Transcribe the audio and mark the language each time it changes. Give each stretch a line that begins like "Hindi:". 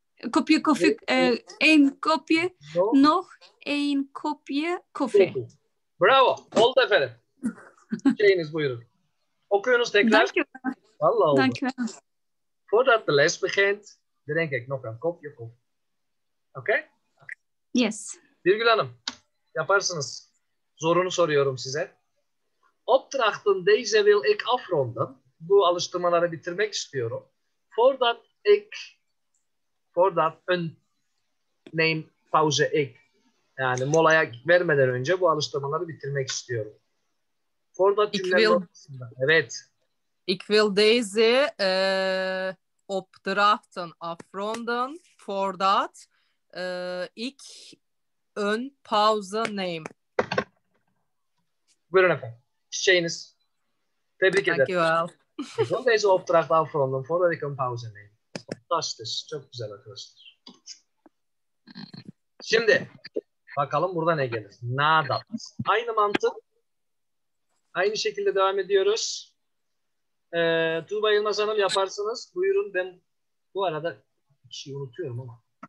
Dutch: Kopje koffie, een kopje, nog een kopje koffie.
Turkish: Bravo, oldu efendim. Şeyiniz buyurun. Okuyunuz tekrar.
Dutch: Dank je wel.
Turkish: Valla oldu.
Dutch: Dank je wel. Voordat de les begint, drink ik nog een kopje koffie.
English: Okay? Yes.
Turkish: Birgül Hanım, yaparsınız. Zorunu soruyorum size.
Dutch: Opdrachten deze wil ik afronden.
Turkish: Bu alıştırmaları bitirmek istiyorum.
Dutch: Voordat ik... Voordat een neem pauze ik.
Turkish: Yani molaya vermeden önce bu alıştırmaları bitirmek istiyorum.
Dutch: Voordat
Turkish: evet.
Dutch: Ik wil deze opdrachten afronden. Voordat ik een pauze neem.
Turkish: Buyurun efendim. Çiçeğiniz. Tebrik ederim.
English: Thank you all.
Dutch: Ik wil deze opdracht afronden. Voordat ik een pauze neem.
Turkish: Fantastisch. Çok güzel arkadaşlar. Şimdi bakalım burada ne gelir. Nada. Aynı mantık. Aynı şekilde devam ediyoruz. Tuğba Yılmaz Hanım yaparsınız. Buyurun. Ben bu arada bir şey unutuyorum ama.